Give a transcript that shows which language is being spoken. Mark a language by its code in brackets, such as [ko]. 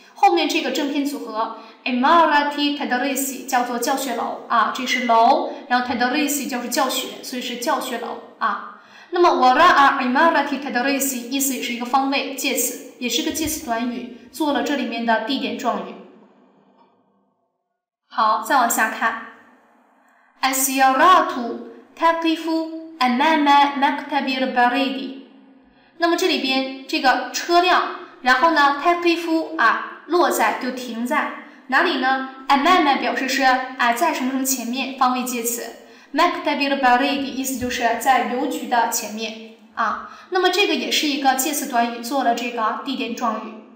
[zh] 后面这个正片组合 [ar] Imarati Tadrisi [zh] 叫做教学楼啊，这是楼，然后 Tadrisi 就是教学，所以是教学楼啊。那么 [ar] Wara Imarati Tadrisi [zh] 意思也是一个方位介词，也是个介词短语，做了这里面的地点状语。好，再往下看 [ar] ，السيارات تقف أمام مكتب البريد。 [zh] 那么这里边这个车辆，然后呢 ，تقف 啊落在就停在哪里呢 ？أمام 表示是啊在什么什么前面，方位介词。 [ar] مكتب البريد [zh] 意思就是在邮局的前面啊。那么这个也是一个介词短语，做了这个地点状语。